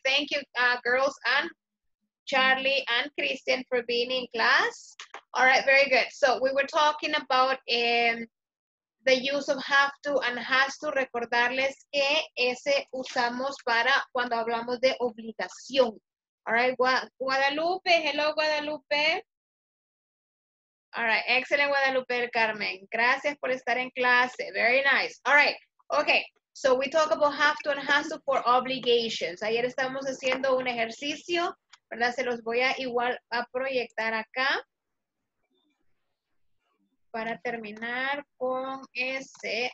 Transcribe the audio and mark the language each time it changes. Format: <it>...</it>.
<en>Thank you, girls and Charlie and Christian for being in class. All right, very good. So we were talking about the use of have to and has to.</en> <es>Recordarles que ese usamos para cuando hablamos de obligación.</es> <en>All right, Guadalupe. Hello, Guadalupe. All right, excellent, Guadalupe del Carmen.</en> <es>Gracias por estar en clase.</es> <en>Very nice. All right, okay. So we talk about have to and has to for obligations.</en> <es>Ayer estábamos haciendo un ejercicio. ¿Verdad? Se los voy a igual a proyectar acá para terminar con ese.</es>